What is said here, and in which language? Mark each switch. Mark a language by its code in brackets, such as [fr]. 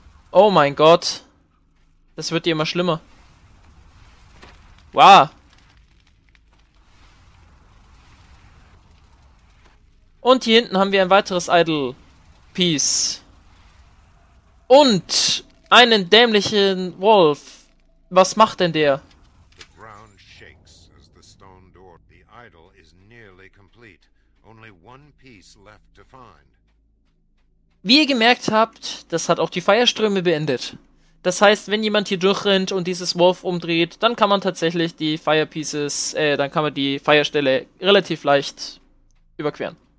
[de] Oh mein Gott. Das wird dir immer schlimmer. Wow. Und hier hinten haben wir ein weiteres Idle Piece. Und einen dämlichen Wolf. Was macht denn der? [en] The ground shakes as the stone door. The idol is nearly complete. Only one piece left to find. [de] Wie ihr gemerkt habt, das hat auch die Feuerströme beendet. Das heißt, wenn jemand hier durchrennt und dieses Wolf umdreht, dann kann man tatsächlich die Fire Pieces, dann kann man die Feuerstelle relativ leicht überqueren.